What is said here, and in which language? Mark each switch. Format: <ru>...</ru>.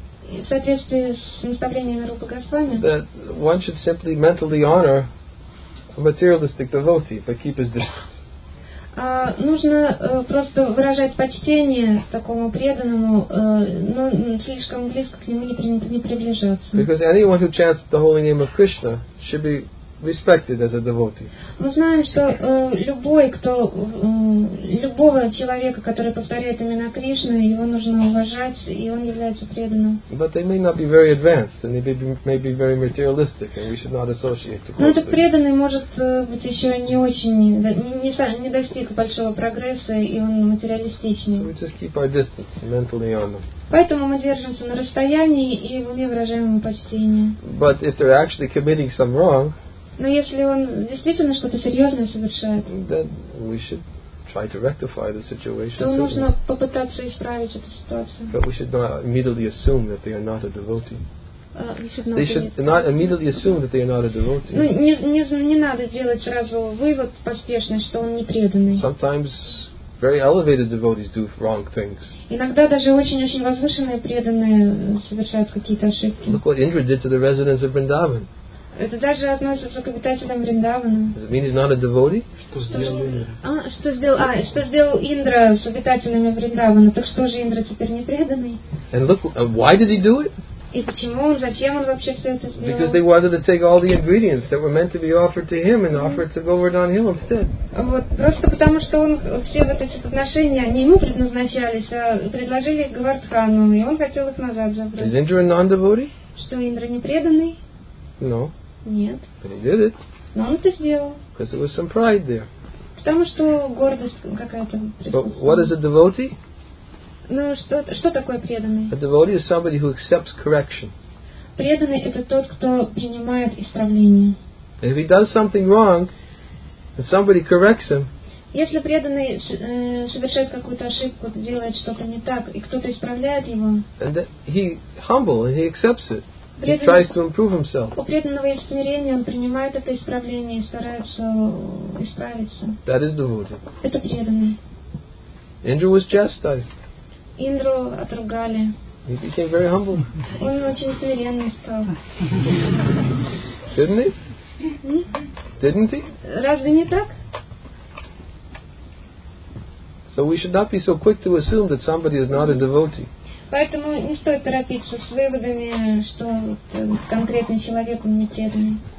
<ru>в соответствии с наставлениями Рупа Госвами,</ru> <en>that one should simply mentally honor materialistic devotee, but keep his distance.</en> <ru>Нужно просто выражать почтение такому преданному, но слишком близко к нему не принято не приближаться.</ru> <en>Because anyone who chants the holy name of Krishna should be respected as a devotee.</en> <ru>Мы знаем, что любой, кто любого человека, который повторяет имена Кришны, его нужно уважать, и он является преданным.</ru> <en>But they may not be very advanced, and they may be very materialistic, and we should not associate too closely.</en> <ru>Но этот преданный может быть еще не очень, не достиг большого прогресса, и он материалистичный.</ru> <en>So we just keep our distance mentally on them.</en> <ru>Поэтому мы держимся на расстоянии и в уме выражаем ему почтение.</ru> <en>But if they're actually committing some wrong.</en> <ru>Но если он действительно что-то серьезное совершает,</ru> <en>then we should try to rectify the situation.</en> <ru>То нужно попытаться исправить эту ситуацию.</ru> <en>But we should not immediately assume that they are not a devotee.</en> <ru>Не надо делать сразу вывод поспешный, что он не преданный.</ru> <en>Sometimes very elevated devotees do wrong things.</en> <ru>Иногда даже очень-очень возвышенные преданные совершают какие-то ошибки.</ru> <en>Look what Indra did to the residents of Vrindavan.</en> <ru>Это даже относится к обитателям Вриндавана.</ru> <en>Does it mean he's not a devotee?</en> <ru>Что сделал Индра с обитателями Вриндавана? Так что же Индра теперь не преданный?</ru> <en>And look, why did he do it?</en> <ru>И почему он, зачем он вообще все это сделал?</ru> <en>Because they wanted to take all the ingredients that were meant to be offered to him and offered to Govardhan Hill instead.</en> <ru>Вот просто потому что он все вот эти подношения не ему предназначались, а предложили Говардхану, и он хотел их назад забрать.</ru> <en>Is Indra a non-devotee?</en> <ru>Что Индра не преданный?</ru> <en>No.</en> <ru>Нет.</ru> <en>But he did it.</en> <ru>Но он это сделал.</ru> <en>Because there was some pride there.</en> <ru>Потому что гордость какая-то.</ru> <en>But what is a devotee?</en> <ru>Ну что такое преданный?</ru> <en>A devotee is somebody who accepts correction.</en> <ru>Преданный это тот, кто принимает исправление.</ru> <en>And if he does something wrong, and somebody corrects him.</en> <ru>Если преданный совершает какую-то ошибку, делает что-то не так, и кто-то исправляет его.</ru> <en>And then he humble and he accepts it. He tries to improve himself.</en> <ru>У преданного есть смирение, он принимает это исправление и старается исправиться.</ru> <en>That is devotee.</en> <ru>Это преданный.</ru> <en>Indra was chastised.</en> <ru>Индру отругали.</ru> <en>He became very humble.</en> <ru>Он очень смиренный стал.</ru> <en>Didn't he? Didn't he?</en> <ru>Разве не так?</ru> <en>So we should not be so quick to assume that somebody is not a devotee.</en> <ru>Поэтому не стоит торопиться с выводами, что конкретный человек он не преданный.</ru>